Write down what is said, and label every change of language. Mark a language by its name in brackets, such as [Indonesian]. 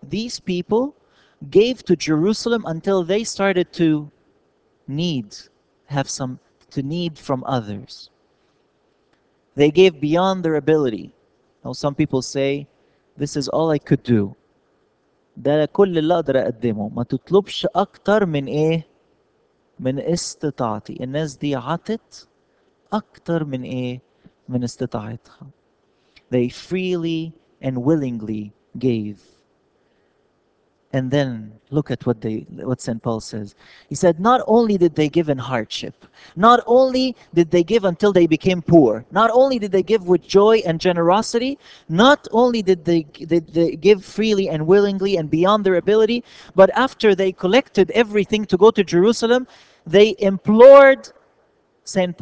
[English] These people gave to Jerusalem until they started to need, have some to need from others. They gave beyond their ability. Now some people say, this is all I could do. [Arabic] ده كل اللي أقدر أقدمه. ما تطلبش أكتر من إيه؟ من استطاعتي. الناس دي عطت أكتر من إيه؟ من استطاعتها. [English] They freely and willingly gave. And then look at what St. Paul says. He said, not only did they give in hardship, not only did they give until they became poor, not only did they give with joy and generosity, not only did they give freely and willingly and beyond their ability, but after they collected everything to go to Jerusalem, they implored St.